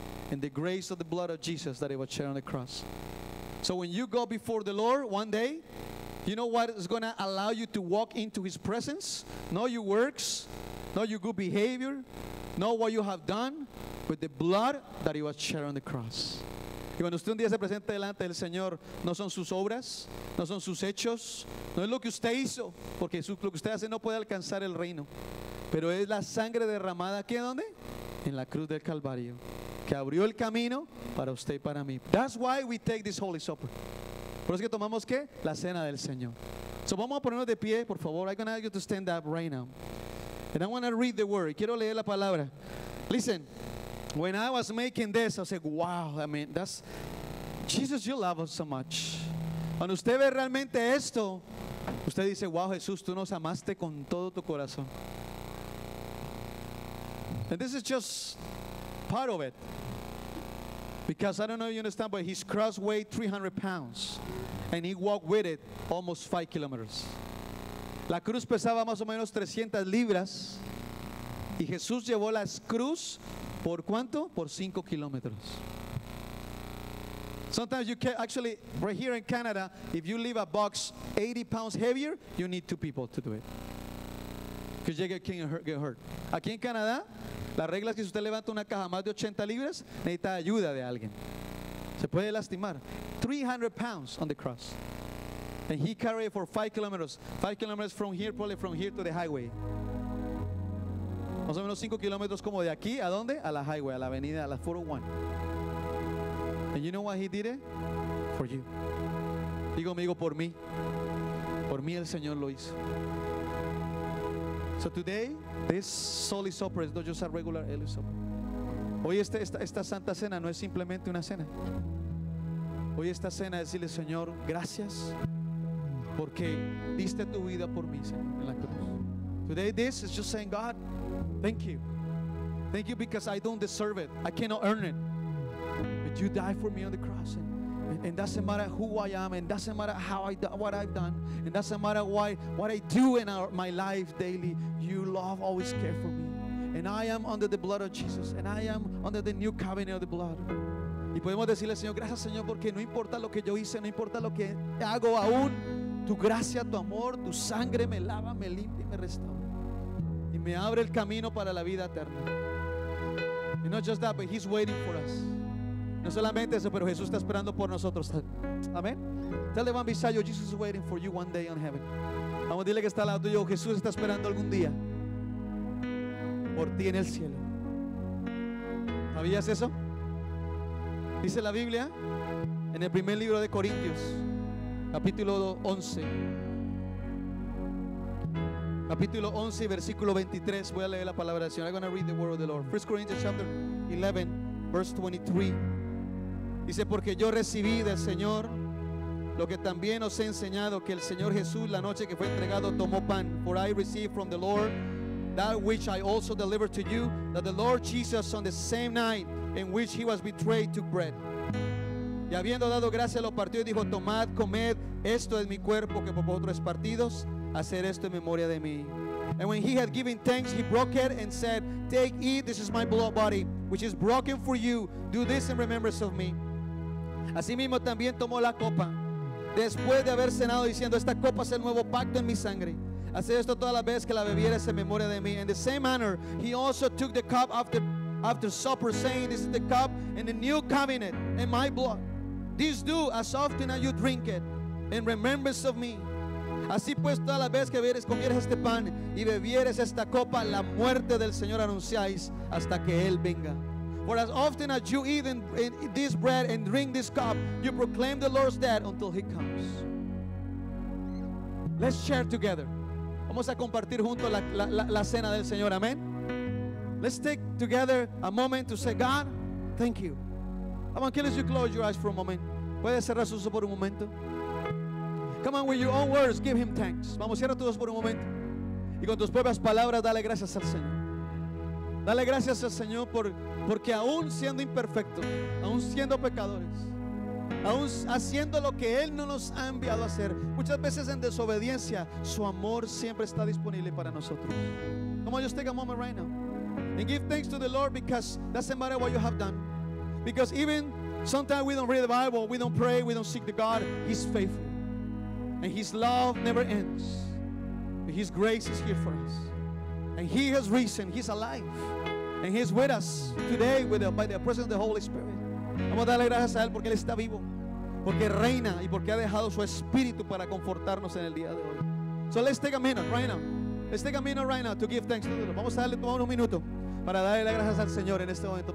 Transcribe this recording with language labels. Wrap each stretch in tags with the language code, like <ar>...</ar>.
<en>And the grace of the blood of Jesus that he was shed on the cross. So when you go before the Lord one day, you know what is going to allow you to walk into his presence? Not your works, not your good behavior, not what you have done, but the blood that he was shed on the cross.</en> <es>Y cuando usted un día se presenta delante del Señor, no son sus obras, no son sus hechos, no es lo que usted hizo, porque lo que usted hace no puede alcanzar el reino. Pero es la sangre derramada, ¿qué dónde? En la cruz del Calvario, que abrió el camino para usted y para mí.</es> <en>That's why we take this Holy Supper.</en> <es>Por eso que tomamos, ¿qué? La cena del Señor. So vamos a ponernos de pie, por favor.</es> <en>I'm going to ask you to stand up right now. And I want to read the word.</en> <es>Quiero leer la palabra.</es> <en>Listen, when I was making this, I said, wow, I mean, that's, Jesus, you love us so much.</en> <es>Cuando usted ve realmente esto, usted dice, wow, Jesús, tú nos amaste con todo tu corazón.</es> <en>And this is just part of it. Because I don't know if you understand, but his cross weighed 300 pounds. And he walked with it almost 5 kilometers.</en> <es>La cruz pesaba más o menos 300 libras. Y Jesús llevó la cruz, ¿por cuánto? Por 5 kilometers.</es> <en>Sometimes you can, actually, right here in Canada, if you leave a box 80 pounds heavier, you need 2 people to do it. Because you get hurt.</en> <es>Aquí en Canadá, la regla es que si usted levanta una caja más de 80 libras, necesita ayuda de alguien. Se puede lastimar.</es> <en>300 pounds on the cross. And he carried it for 5 kilometers. 5 kilometers from here, probably from here to the highway.</en> <es>Más o menos 5 kilómetros como de aquí, ¿a dónde? A la highway, a la avenida, a la 401.</es> <en>And you know what he did it? For you.</en> <es>Digo, por mí. Por mí el Señor lo hizo.</es> <en>So today, this Holy Supper is not just a regular Holy Supper.</en> <es>Hoy esta Santa Cena no es simplemente una cena. Hoy esta cena es decirle, Señor, gracias porque diste tu vida por mí, Señor, en la cruz.</es> <en>Today, this is just saying, God, thank you. Thank you because I don't deserve it. I cannot earn it. But you died for me on the cross. And doesn't matter who I am, and doesn't matter how I what I've done, and doesn't matter what I do in my life daily, you love, always care for me. And I am under the blood of Jesus, and I am under the new covenant of the blood.</en> <es>Y podemos decirle, Señor, gracias, Señor, porque no importa lo que yo hice, no importa lo que hago aún, tu gracia, tu amor, tu sangre me lava, me limpia y me restaura. Y me abre el camino para la vida eterna. Y no</es> <en>just that, but he's waiting for us.</en> <es>No solamente eso, pero Jesús está esperando por nosotros. Amén.</es> <en>Tell the one beside you, Jesus is waiting for you one day in heaven.</en> <es>Vamos a decirle que está al lado tuyo, Jesús está esperando algún día por ti en el cielo. ¿Sabías eso? Dice la Biblia en el primer libro de Corintios, capítulo 11. Capítulo 11, versículo 23. Voy a leer la palabra del Señor.</es> <en>I'm going to read the word of the Lord. 1 Corinthians chapter 11, verse 23.</en> <es>Dice, porque yo recibí del Señor lo que también os he enseñado, que el Señor Jesús la noche que fue entregado tomó pan.</es> <en>For I received from the Lord that which I also delivered to you, that the Lord Jesus on the same night in which he was betrayed took bread.</en> <es>Y habiendo dado gracias lo partió y dijo, tomad, comed, esto es mi cuerpo que por vosotros es partido, hacer esto en memoria de mí.</es> <en>And when he had given thanks, he broke it and said, take, eat, this is my blood body, which is broken for you, do this in remembrance of me.</en> <es>Asimismo también tomó la copa, después de haber cenado, diciendo, esta copa es el nuevo pacto en mi sangre. Hacer esto toda la vez que la bebieres en memoria de mí.</es> <en>In the same manner, he also took the cup after supper, saying, this is the cup in the new covenant in my blood. This do as often as you drink it in remembrance of me.</en> <es>Así pues, toda la vez que comieres este pan y bebieres esta copa, la muerte del Señor anunciáis hasta que Él venga.</es> <en>For as often as you eat this bread and drink this cup, you proclaim the Lord's death until He comes. Let's share together.</en> <es>Vamos a compartir juntos la cena del Señor. Amén.</es> <en>Let's take together a moment to say, God, thank you. Come on, can you close your eyes for a moment?</en> <es>¿Puede cerrar sus ojos por un momento?</es> <en>Come on, with your own words, give him thanks.</en> <es>Vamos, cierra tus ojos por un momento. Y con tus propias palabras, dale gracias al Señor. Dale gracias al Señor porque aún siendo imperfectos, aún siendo pecadores, aún haciendo lo que Él no nos ha enviado a hacer, muchas veces en desobediencia, su amor siempre está disponible para nosotros.</es> <en>Come on, just take a moment right now and give thanks to the Lord, because doesn't matter what you have done. Because even sometimes we don't read the Bible, we don't pray, we don't seek the God, He's faithful. And His love never ends. His grace is here for us. And He has risen, He's alive. And He's with us today by the presence of the Holy Spirit.</en> <es>Vamos a darle gracias a Él porque Él está vivo, porque reina y porque ha dejado su Espíritu para confortarnos en el día de hoy.</es> <en>So let's take a minute right now. Let's take a minute right now to give thanks to the Lord.</en> <es>Vamos a darle un minuto para darle las gracias al Señor en este momento.</es>